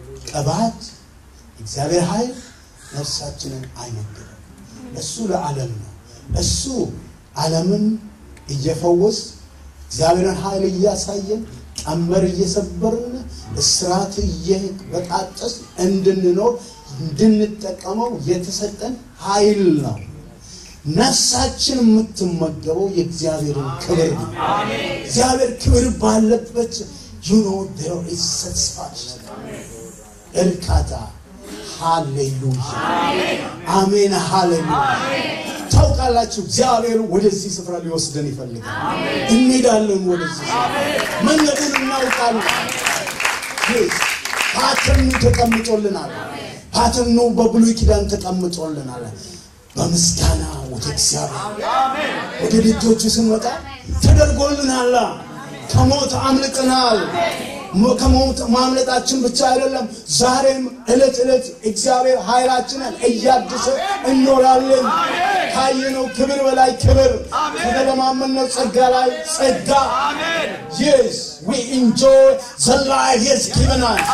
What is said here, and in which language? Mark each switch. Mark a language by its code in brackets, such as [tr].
[am] ቀባት እግዚአብሔር ኃይል ነፍሳችንን አይመግብ እሱ ለዓለም ነው እሱ ዓለምን እየፈወስ እግዚአብሔርን ኃይል እያሳየን አመር እየሰበርን እስራት እየበጣጠስ እንድንኖር እንድንጠቀመው የተሰጠን ኃይል ነው ነፍሳችን የምትመገበው የእግዚአብሔርን ክብር ነው አሜን እግዚአብሔር ክብር ባለበት [en] you know there is satisfaction [am] አሜን እርካታ ሃሌሉያ አሜን አሜን ሃሌሉያ አሜን ታውቃላችሁ እግዚአብሔር ወደዚህ ስፍራ ሊወስደን ይፈልጋል አሜን እንሄዳለን ወደዚህ አሜን መንገዱን እናውቃለን [en] ጌስ [am] ፓተርኑ ተቀምጦልናል አሜን ፓተርኑ በብሉይ ኪዳን ተቀምጦልናል በምስጋና ወደ እግዚአብሔር አሜን ወደ ልጆቹ ስንወጣ ተደርጎልናል ከሞት አምልጠናል ከሞት ማምለጣችን ብቻ አይደለም ዛሬም እለት እለት እግዚአብሔር ኃይላችንን እያደሰ እንኖራለን ካየነው ክብር በላይ ክብር ከተለማመነው ጸጋ ላይ ጸጋ አሜን [en] yes we enjoy the life he has given us